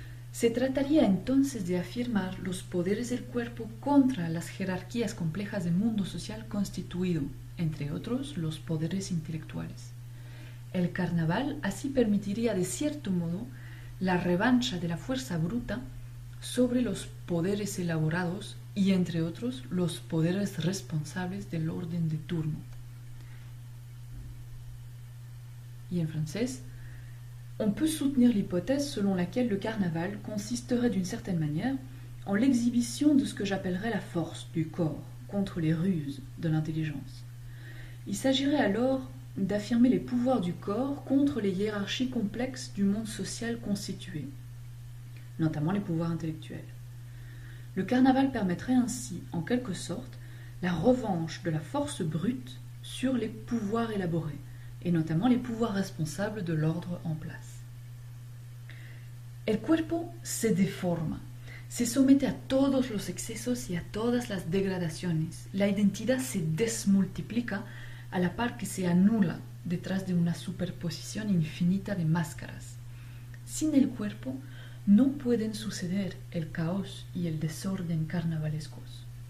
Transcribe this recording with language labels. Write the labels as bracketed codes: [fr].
[es] Se trataría entonces de afirmar los poderes del cuerpo contra las jerarquías complejas del mundo social constituido, entre otros, los poderes intelectuales. El carnaval así permitiría, de cierto modo, la revancha de la fuerza bruta sobre los poderes elaborados y, entre otros, los poderes responsables del orden de turno. Y en francés, [fr] on peut soutenir l'hypothèse selon laquelle le carnaval consisterait d'une certaine manière en l'exhibition de ce que j'appellerais la force du corps contre les ruses de l'intelligence. Il s'agirait alors d'affirmer les pouvoirs du corps contre les hiérarchies complexes du monde social constitué, notamment les pouvoirs intellectuels. Le carnaval permettrait ainsi, en quelque sorte, la revanche de la force brute sur les pouvoirs élaborés, et notamment les pouvoirs responsables de l'ordre en place. [es] El cuerpo se deforma, se somete a todos los excesos y a todas las degradaciones. La identidad se desmultiplica a la par que se anula detrás de una superposición infinita de máscaras. Sin el cuerpo no pueden suceder el caos y el desorden carnavalescos.